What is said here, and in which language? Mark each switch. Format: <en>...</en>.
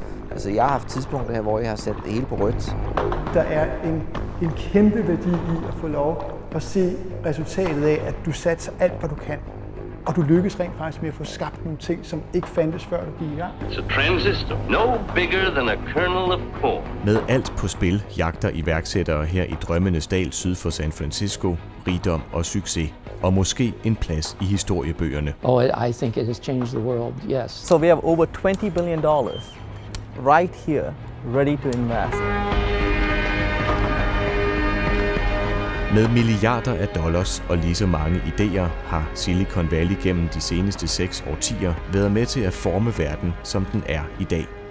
<da>Altså, jeg har haft tidspunkter her, hvor jeg har sat det hele på rødt. Der er en kæmpe værdi i at få lov at se resultatet af, at du satser alt, hvad du kan. Og du lykkes rent faktisk med at få skabt nogle ting, som ikke fandtes før du gik i gang.</da> <en>It's a transistor, no bigger than a kernel of corn.</en> <da>Med alt på spil jagter iværksættere her i drømmenes dal syd for San Francisco rigdom og succes. Og måske en plads i historiebøgerne.</da> <en>Oh, I think it has changed the world, yes. So we have over $20 billion right here, ready to invest.</en> <da>Med milliarder af dollars og lige så mange idéer har Silicon Valley gennem de seneste 6 årtier været med til at forme verden, som den er i dag.</da>